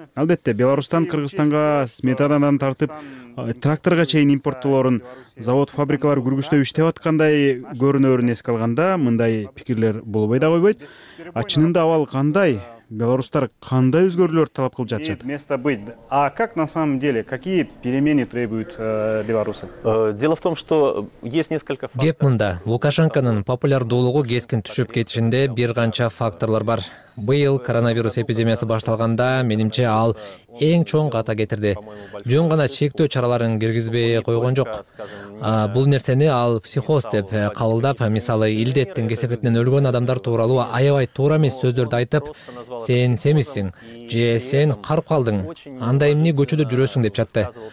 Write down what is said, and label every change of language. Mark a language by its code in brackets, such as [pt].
[ky] Албетте, Беларусьтан Кыргызстанга сметанадан тартып тракторга чейин импорттолорун завод фабрикалар күргүчтөп иштеп аткандай көрүнөрүн эске алганда мындай пикирлер болбой да койбойт. А чынында абал кандай? белорустар кандай өзгөрүүлөрдү талап кылып жатышат? [ru] Место быть. А как на самом деле, какие перемены требуют белорусы? Дело в том, что есть несколько факторов. [ky] Кеп мында Лукашенконун популярдуулугу кескин түшүп кетишинде бир канча факторлор бар. Быйыл коронавирус эпидемиясы башталганда, менимче ал эң чоң ката кетирди. Жөн гана чектөө чараларын киргизбей койгон жок. Бул нерсени ал психоз деп кабылдап, мисалы илдеттин кесепетинен өлгөн адамдар тууралуу аябай туура эмес сөздөрдү айтып, сен семизсиң же сен карып калдың, анда эмне көчөдө жүрөсүң деп жатты.